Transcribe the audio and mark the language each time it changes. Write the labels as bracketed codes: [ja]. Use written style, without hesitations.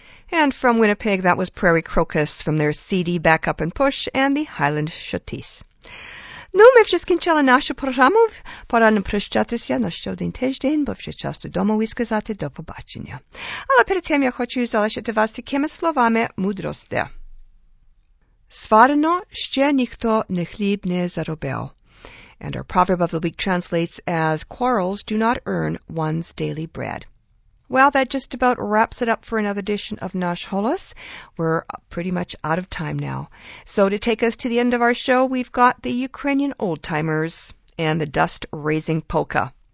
[en] And from Winnipeg, that was Prairie Crocus from their CD Back Up and Push and the Highland Shutis. [uk] Ну, ми вже скінчили нашу програму. Пора нам прощатися на ще один тиждень, бо вже час додому і сказати до побачення. Але перед тим я хочу залишити вас такими словами мудрості. Сварено ще ніхто не хліб не заробив. [en] And our proverb of the week translates as, quarrels do not earn one's daily bread. Well, that just about wraps it up for another edition of Nash Holos. We're pretty much out of time now. So to take us to the end of our show, we've got the Ukrainian old-timers and the dust-raising polka.